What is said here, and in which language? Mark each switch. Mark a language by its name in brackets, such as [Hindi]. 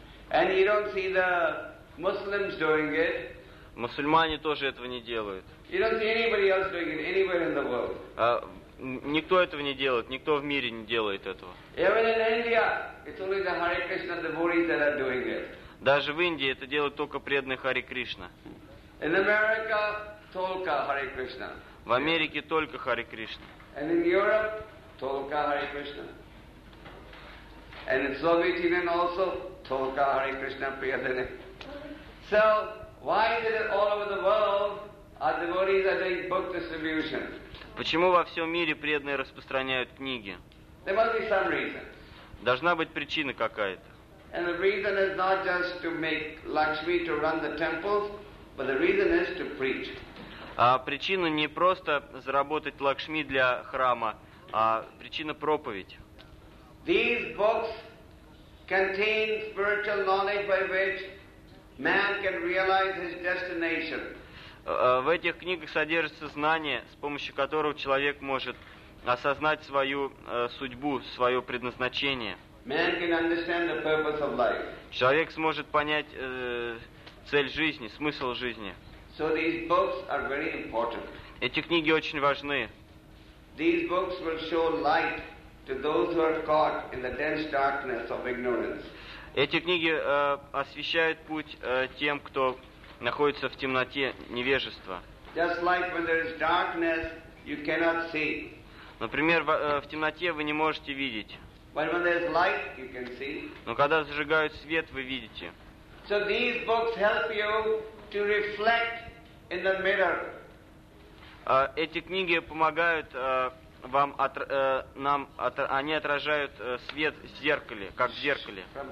[English] And you don't see the Muslims doing it. [Russian] Мусульмане тоже этого не делают. [English] You don't see anybody else doing it anywhere in the world. [Russian] Никто этого не делает, никто в мире не делает этого. [English] Even in India, it's only the Hare Krishna devotees that are doing it. [Russian] Даже в Индии это делают только преданные Хари Кришна. [English] In America, [Russian] только Хари Кришна. В Америке только Хари Кришна. [English] And in Europe, [Russian] только Хари Кришна. [English] And in Soviet Union also, [Russian] только Хари Кришна преданные. [English] So, why is it all over the world our devotees are doing book distribution? [Russian] Почему во всем мире преданные распространяют книги? [English] There must be some reason. [Russian] Должна быть причина какая-то. [English] And the reason is not just to make Lakshmi to run the temples, but the reason is to preach. [Russian] А причина не просто заработать Лакшми для храма, а причина проповедь. [English] These books contain spiritual knowledge by which man can realize his destination. [Russian] В этих книгах содержится знание, с помощью которого человек может осознать свою судьбу, свое предназначение. [English] Man can understand the purpose of life. [Russian] Человек сможет понять цель жизни, смысл жизни. [English] So these books are very important. [Russian] Эти книги очень важны. [English] These books will show light to those who are caught in the dense darkness of ignorance. [Russian] Эти книги освещают путь тем, кто находится в темноте невежества. [English] Just like when there is darkness, you cannot see. [Russian] Например, в темноте вы не можете видеть. [English] But when there is light, you can see. [Russian] Но когда зажигают свет, вы видите. [English] So these books help you to reflect in the mirror. [Russian] Эти книги помогают вам, нам, они отражают свет в зеркале, как в зеркале.